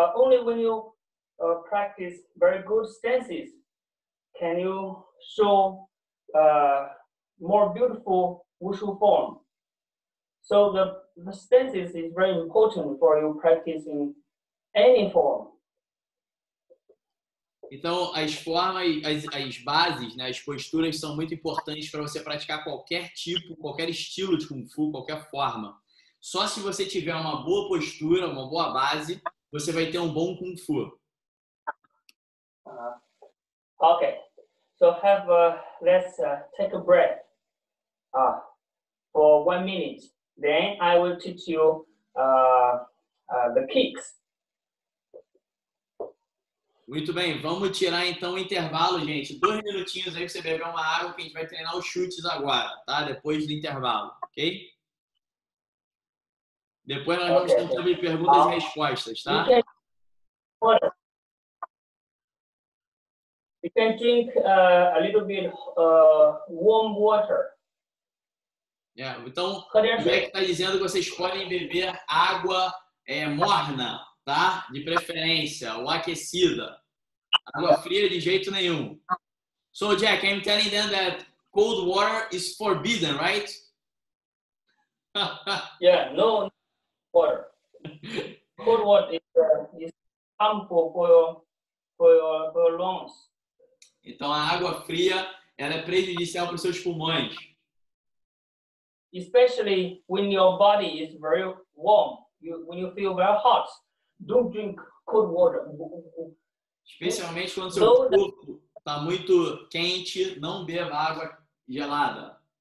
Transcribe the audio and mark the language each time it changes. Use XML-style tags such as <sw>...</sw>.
<en>Only when you practice very good stances can you show more beautiful wushu form. So the stances is very important for you practicing any form.</en> <pt>Então, as formas, as bases, né, as posturas são muito importantes para você praticar qualquer tipo, qualquer estilo de Kung Fu, qualquer forma. Só se você tiver uma boa postura, uma boa base, você vai ter um bom Kung Fu.</pt> <en>Ok. So, let's take a breath for 1 minute. Then, I will teach you the kicks.</en> <pt>Muito bem, vamos tirar então o intervalo, gente. 2 minutinhos aí pra você beber uma água que a gente vai treinar os chutes agora, tá? Depois do intervalo, ok? Depois nós vamos tentar ver perguntas e respostas, tá?</pt> <en>You can drink a little bit warm water.</en> <pt>Yeah, então, como é que tá dizendo que vocês podem beber água morna, tá? De preferência, ou aquecida. Água fria de jeito nenhum.</pt> <en>So, Jack, I'm telling them that cold water is forbidden, right? Yeah, no water. Cold water is harmful for your lungs.</en> <pt>Então, a água fria, ela é prejudicial para os seus pulmões.</pt> <en>Especially when your body is very warm, when you feel very hot, Don't drink cold water.</en> <pt>Especialmente quando seu corpo está muito quente, não beba água gelada.</pt>